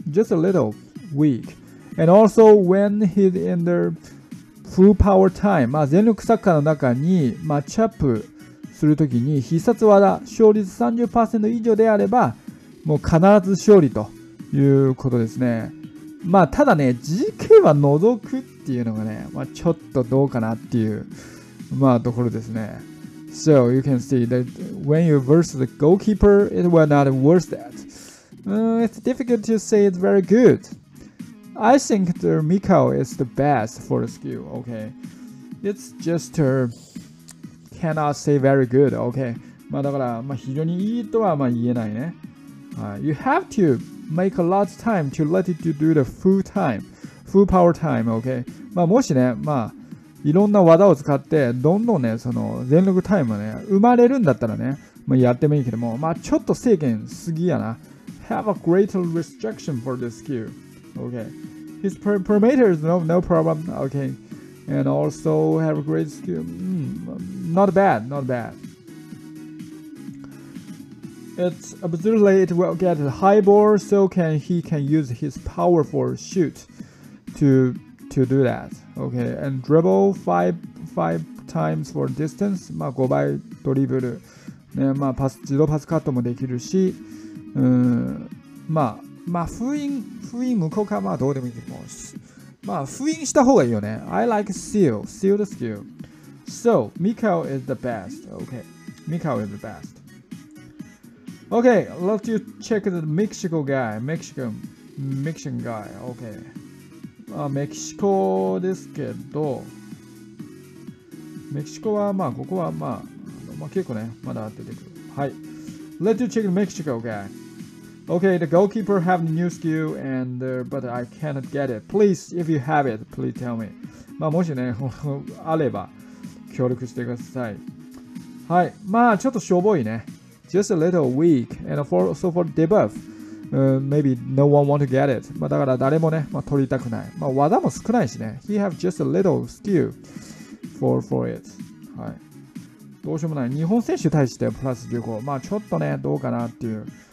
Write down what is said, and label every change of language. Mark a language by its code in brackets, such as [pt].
[en] Just a little weak. And also, when he's in the full power time, [ja] まあ、全力サッカーの中に、マッチアップするときに、必殺技、勝率 30% 以上であれば、もう必ず勝利ということですね。まあただね、GK は除くっていうのがね、まあちょっとどうかなっていう、まあところですね。 [en] So you can see that when you versus the goalkeeper, it will not worth that.、It's difficult to say it's very good. I think the Mikael is the best for the skill, okay? It's just a cannot say very good, okay? [ja] まあだから、まあ非常にいいとはまあ言えないね。 [en] You have to make a lot of time to let it do the full time, full power time, okay? [ja] まあもしね、まあ、いろんな技を使って、どんどんね、その全力タイムがね、生まれるんだったらね、まあ、やってもいいけども、まあちょっと制限すぎやな。 [en] Have a greater restriction for this skill, okay? His parameter is no problem, okay? And also have a great skill, not bad. It's absurdly it will get a high ball, so he can use his powerful shoot to do that. Okay, and dribble five times for distance. [ja] まあ5倍ドリブル。ね、まあパス自動パスカットもできるし、まあ封印向こうかまあどうでもいいけども。ままあ封印した方がいいよね。 [en] I like sealed skill. So Mikael is the best. Okay, Mikael is the best. Okay, let you check the Mexico guy. Mexican guy. [ja] Okay, メキシコですけど、メキシコはまあここはまあ、まあ、結構ねまだ出てくる。 [en] はい、Let you check the Mexico guy. Okay, the goalkeeper have a new skill and but I cannot get it. Please, if you have it, please tell me. [ja] まあもしねあれば協力してください。はい、まあちょっとしょぼいね。 [en] Just a little weak and for so for debuff. Maybe no one want to get it. [ja] まあだから誰もね、まあ取りたくない。まあ技も少ないしね。 [en] He have just a little skill for it. はい。 [ja] どうしようもない。日本選手対してプラス15。まあちょっとね、どうかなっていう。